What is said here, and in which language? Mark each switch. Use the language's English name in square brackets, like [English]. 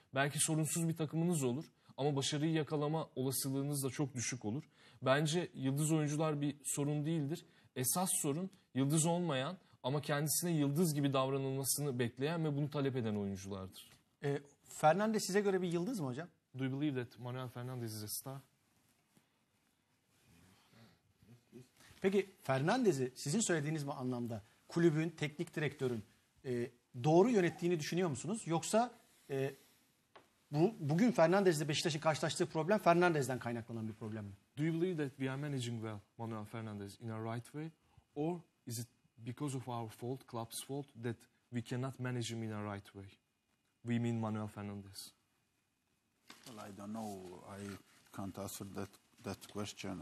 [Turkish] Belki sorunsuz bir takımınız olur ama başarıyı yakalama olasılığınız da çok düşük olur. Bence yıldız oyuncular bir sorun değildir. Esas sorun yıldız olmayan ama kendisine yıldız gibi davranılmasını bekleyen ve bunu talep eden oyunculardır. Fernandez size göre bir yıldız mı hocam? [English] Do you believe that Manuel Fernandez is a star? [Turkish] Peki Fernandez'i sizin söylediğiniz bu anlamda kulübün, teknik direktörün doğru yönettiğini düşünüyor musunuz? Yoksa bugün Fernandez'le Beşiktaş'ın karşılaştığı problem Fernandez'den kaynaklanan bir problem mi? [English] Do you believe that we are managing well Manuel Fernandez in a right way? Or is it because of our fault, club's fault, that we cannot manage him in a right way? We mean Manuel Fernandez. Well, I don't know. I can't answer that question.